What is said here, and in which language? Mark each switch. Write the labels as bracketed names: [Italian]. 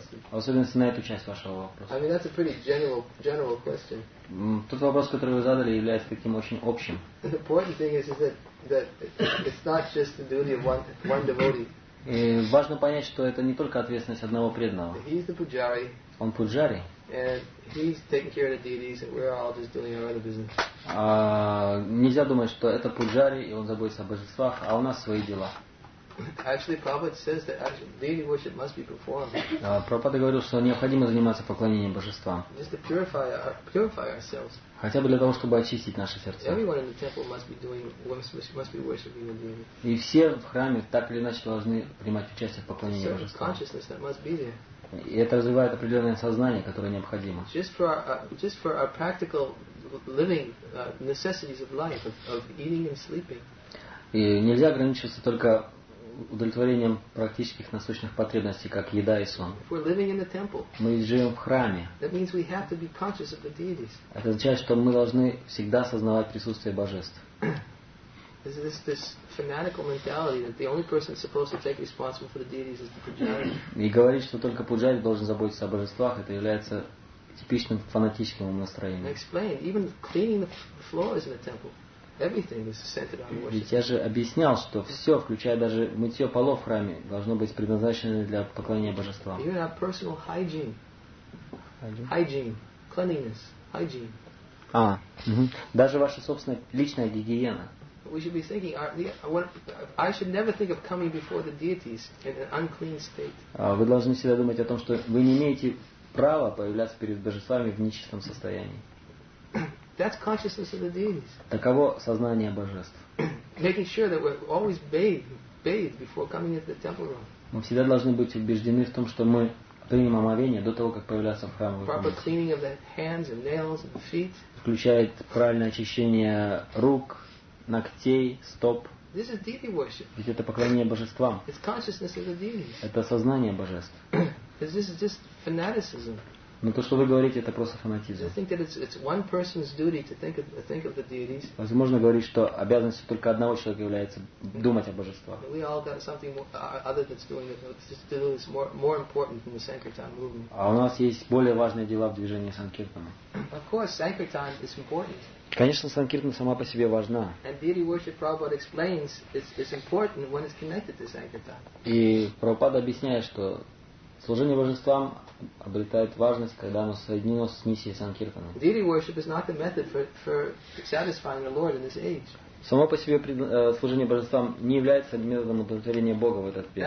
[Russian] Особенно на эту часть вашего вопроса. [English] I mean, that's a pretty general question. [Russian] Тот вопрос, который вы задали, является таким очень общим. [English] The important thing is that it's not just the duty of one devotee. [Russian] И важно понять, что это не только ответственность одного преданного. [English] He's the pujari. [Russian] Он пуджари. [English] And he's taking care of the deities, and we're all just doing our other business. [Russian] Нельзя думать, что это пуджари, и он заботится о божествах, а у нас свои дела. [English] Actually, Prabhupada says that deity worship must be performed. [Russian] Прабхупада говорил, что необходимо заниматься поклонением божествам. [English] Just to purify ourselves. [Russian] Хотя бы для того, чтобы очистить наши сердца. [English] Everyone in the temple must be worshiping the deity. [Russian] И все в храме так или иначе должны принимать участие в поклонении божествам. [English] Certain consciousness that must be there. [Russian] И это развивает определенное сознание, которое необходимо. [English] Just for our practical living necessities of life, of eating and sleeping. [Russian] И нельзя ограничиваться только удовлетворением практических насущных потребностей, как еда и сон. [English] If we're living in the temple, [Russian] мы живем в храме. [English] That means we have to be conscious of the deities. [Russian] Это означает, что мы должны всегда сознавать присутствие божеств. [English] This fanatical mentality that the only person supposed to take responsible for the deities is the pujari. [Russian] И говорить, что только пуджари должен заботиться о божествах, это является типичным фанатическим настроением. [English] Explain. Even cleaning the floors in the temple, everything is centered on worship. [Russian] Ведь я же объяснял, что все, включая даже мытье полов в храме, должно быть предназначено для поклонения божествам. [English] Even our personal hygiene. Hygiene. Cleanliness. Hygiene. [Russian] Даже ваша собственная личная гигиена. [English] We should be thinking. I should never think of coming before the deities in an unclean state. [Russian] Вы должны всегда думать о том, что вы не имеете права появляться перед божествами в нечистом состоянии. [English] That's consciousness of the deities. [Russian] Таково сознание божеств. [English] Making sure that we're always bathed before coming into the temple room. [Russian] Мы всегда должны быть убеждены в том, что мы примем омовение до того, как появляться в храме. [English] Proper cleaning of the hands and nails and feet. [Russian] Включает правильное очищение рук, ногтей, стоп. [English] This is deity worship. [Russian] Ведь это поклонение божествам. [English] It's consciousness of the deity. [Russian] Это сознание божеств. [English] This is just fanaticism. [Russian] Но то, что вы говорите, это просто фанатизм. [English] I think that it's one person's duty to think of the deities. [Russian] Возможно говорить, что обязанностью только одного человека является думать о божествах. [English] We all got something other that's doing it. It's more important than the Sankirtan movement. [Russian] А у нас есть более важные дела в движении Санкиртана. [English] Of course, Sankirtan is important. [Russian] Конечно, Санкиртана сама по себе важна. [English] And deity worship, Prabhupada explains, is important when it's connected to Sankirtan. [Russian] И Прабхупада объясняет, что служение божествам обретает важность, когда оно соединено с миссией Санкиртаны. [English] Deity worship is not the method for satisfying the Lord in this age. [Russian] Само по себе служение божествам не является методом удовлетворения Бога в этот век.